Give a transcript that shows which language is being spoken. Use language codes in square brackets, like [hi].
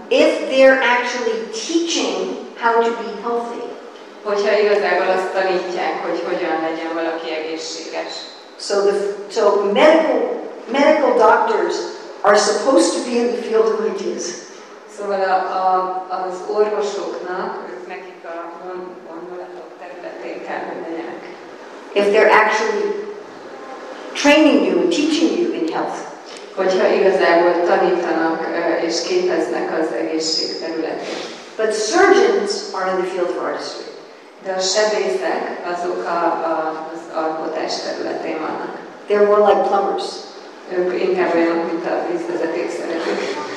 [en] If they're actually teaching how to be healthy. [hu] Hogyha igazából azt tanítják, hogy hogyan legyen valaki egészséges. [en] So medical doctors are supposed to be in the field of ideas. [hu] Szóval az orvosoknak, ők nekik a gondolatok területén kell mondanak. [en] If they're actually training you and teaching you in health. [hu] Hogyha igazából tanítanak és képeznek az egészség területén. [en] But surgeons are in the field of artistry. [hu] De a sebészek azok az alkotás területén vannak. [en] They're more like plumbers. [hu] Ők inkább olyanok, mint a vízvezeték szeretők.